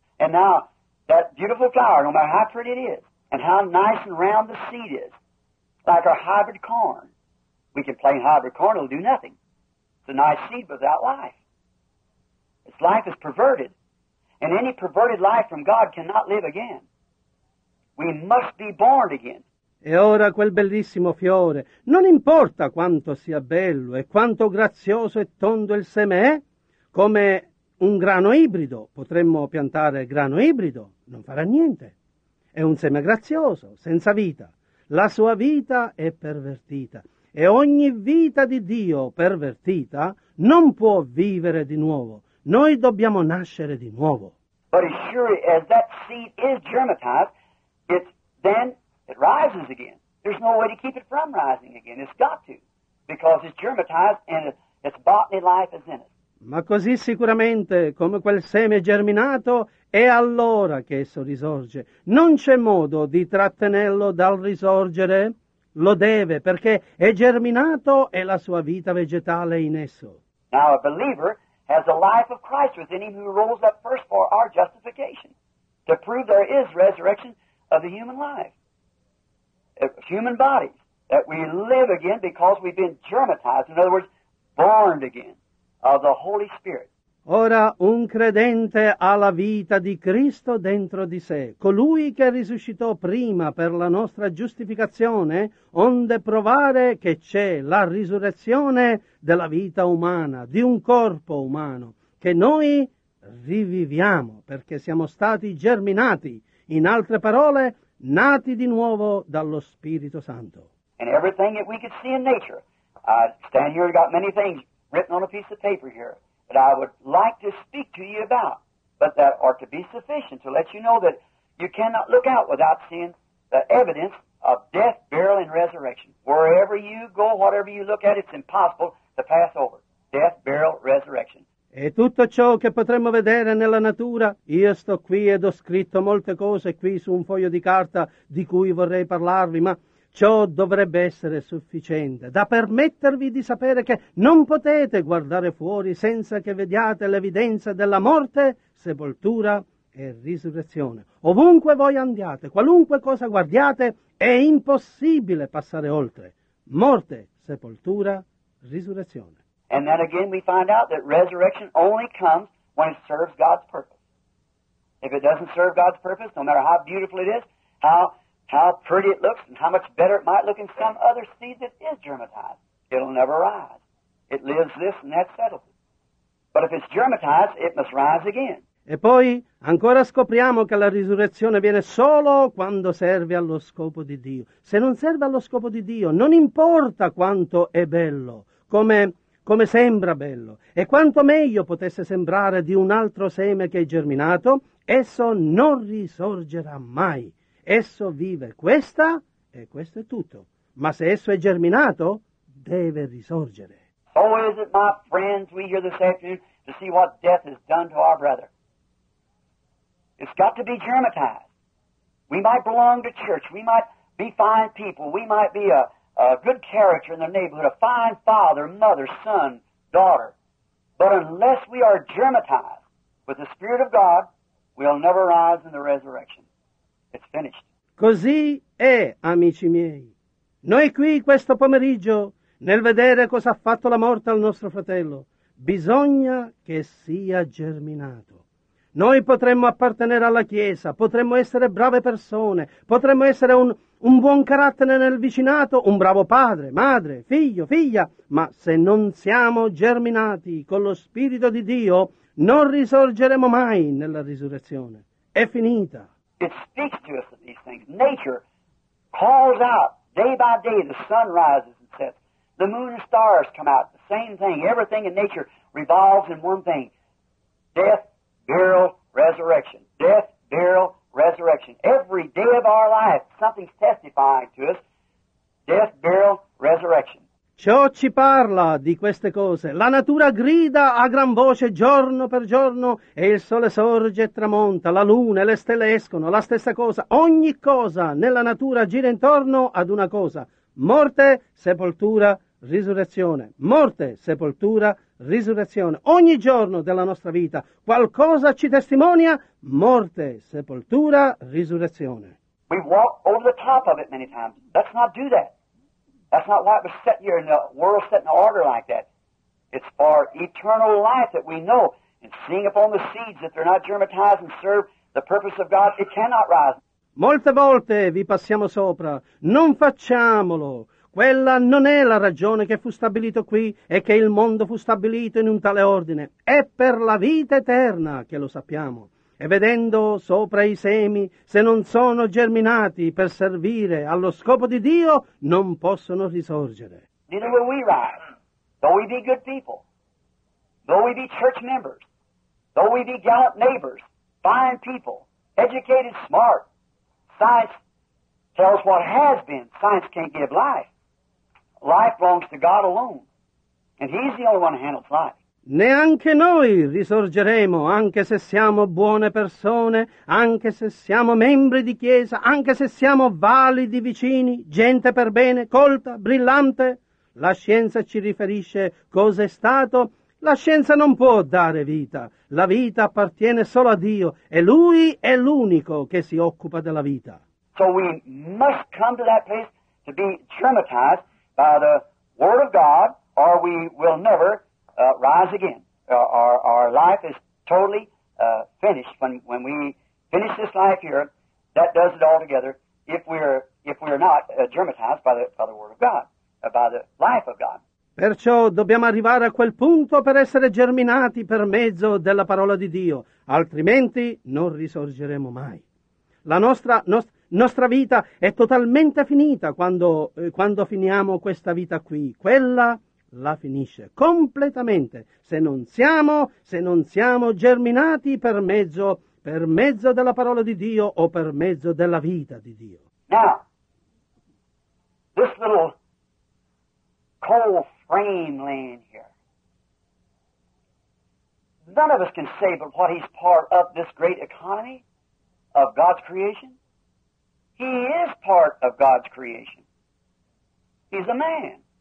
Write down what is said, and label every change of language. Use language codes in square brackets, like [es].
[en] And now, that beautiful flower, no matter how pretty it is, and how nice and round the seed is, like our hybrid corn. We can plant hybrid corn, it'll do nothing. It's a nice seed without life. Its life is perverted. And any perverted life from God cannot live again. We must be born again. [it] E ora quel bellissimo fiore, non importa quanto sia bello e quanto grazioso e tondo il seme è, come un grano ibrido, potremmo piantare grano ibrido, non farà niente. È un seme grazioso, senza vita. La sua vita è pervertita. E ogni vita di Dio pervertita non può vivere di nuovo. Noi dobbiamo nascere di nuovo. [en] But as sure as that seed is germinated, it rises again. There's no way to keep it from rising again. It's got to, because it's germinated and its botany life is in it. [it] Ma così sicuramente come quel seme germinato è allora che esso risorge. Non c'è modo di trattenerlo dal risorgere. Lo deve, perché è germinato e la sua vita vegetale in esso. [en] Now a believer has the life of Christ within him who rose up first for our justification, to prove there is resurrection of the human life, of human bodies, that we live again because we've been germinized, in other words, born again of the Holy Spirit. [it] Ora un credente ha la vita di Cristo dentro di sé, colui che risuscitò prima per la nostra giustificazione, onde provare che c'è la risurrezione della vita umana, di un corpo umano, che noi riviviamo perché siamo stati germinati, in altre parole, nati di nuovo dallo Spirito Santo. [en] And everything that we could see in nature, I stand here and got many things written on a piece of paper here that I would like to speak to you about, but that are to be sufficient to let you know that you cannot look out without seeing the evidence of death, burial, and resurrection. Wherever you go, whatever you look at, it's impossible to pass over. Death, burial, resurrection. [it] E tutto ciò che potremmo vedere nella natura, io sto qui ed ho scritto molte cose qui su un foglio di carta di cui vorrei parlarvi, ma ciò dovrebbe essere sufficiente da permettervi di sapere che non potete guardare fuori senza che vediate l'evidenza della morte, sepoltura e risurrezione. Ovunque voi andiate, qualunque cosa guardiate, è impossibile passare oltre. Morte, sepoltura, risurrezione. [en] And then again we find out that resurrection only comes when it serves God's purpose. If it doesn't serve God's purpose, no matter how beautiful it is, how pretty it looks, and how much better it might look in some other seed that is germinated, it'll never rise. It lives this and that settles it. But if it's germinated, it must rise again. [it] E poi ancora scopriamo che la risurrezione viene solo quando serve allo scopo di Dio. Se non serve allo scopo di Dio, non importa quanto è bello, come sembra bello, e quanto meglio potesse sembrare di un altro seme che è germinato, esso non risorgerà mai. Esso vive questa e questo è tutto. Ma se esso è germinato, deve risorgere. [en] Oh, is it my friends we hear this afternoon to see what death has done to our brother? It's got to be germinized. We might belong to church, we might be fine people, we might be a good character in the neighborhood, a fine father, mother, son, daughter. But unless we are germinized with the Spirit of God, we'll never rise in the resurrection. It's finished. [it] Così è, amici miei. Noi qui questo pomeriggio, nel vedere cosa ha fatto la morte al nostro fratello, bisogna che sia germinato. Noi potremmo appartenere alla Chiesa, potremmo essere brave persone, potremmo essere un buon carattere nel vicinato, un bravo padre, madre, figlio, figlia, ma se non siamo germinati con lo Spirito di Dio, non risorgeremo mai nella risurrezione. È finita. [en] It speaks to us of these things. Nature calls out day by day, the sun rises and sets, the moon and stars come out, the same thing, everything in nature revolves in one thing, death, burial, resurrection, death, burial, resurrection. Every day of our life, something's testifying to us. Death, burial, resurrection. [it] Ciò ci parla di queste cose. La natura grida a gran voce giorno per giorno e il sole sorge e tramonta, la luna e le stelle escono, la stessa cosa. Ogni cosa nella natura gira intorno ad una cosa. Morte, sepoltura, risurrezione. Morte, sepoltura, risurrezione. Ogni giorno della nostra vita qualcosa ci testimonia morte, sepoltura, risurrezione. [en] We walk over the top of it many times. Let's not do that. That's not why it was set here in the world, set in order like that. It's for eternal life that we know. And seeing upon the seeds that they're not germatized and serve the purpose of God, it cannot rise. [it] Molte volte vi passiamo sopra. Non facciamolo. Quella non è la ragione che fu stabilito qui e che il mondo fu stabilito in un tale ordine. È per la vita eterna che lo sappiamo. E vedendo sopra i semi, se non sono germinati per servire allo scopo di Dio, non possono risorgere. [en] Neither will we rise, though we be good people, though we be church members, though we be gallant neighbors, fine people, educated, smart. Science tells what has been. Science can't give life. Life belongs to God alone, and He's the only one who handles life. [it] Neanche noi risorgeremo, anche se siamo buone persone, anche se siamo membri di chiesa, anche se siamo validi vicini, gente per bene, colta, brillante. La scienza ci riferisce cosa è stato. La scienza non può dare vita. La vita appartiene solo a Dio e Lui è l'unico che si occupa della vita. [en] So we must come to that place to be germatized by the Word of God, or we will never rise again. Our life is totally finished when we finish this life here. That does it altogether. If we are not germatized by the Word of God, by the life of God. [it] Perciò dobbiamo arrivare a quel punto per essere germinati per mezzo della parola di Dio, altrimenti non risorgeremo mai. La nostra vita è totalmente finita quando finiamo questa vita qui. Quella la finisce completamente se non siamo germinati per mezzo della parola di Dio o per mezzo della vita di Dio. [en] Now, this little coal frame laying here, none of us can say but what he's part of this great economy of God's creation. He is part of God's creation. He's a man.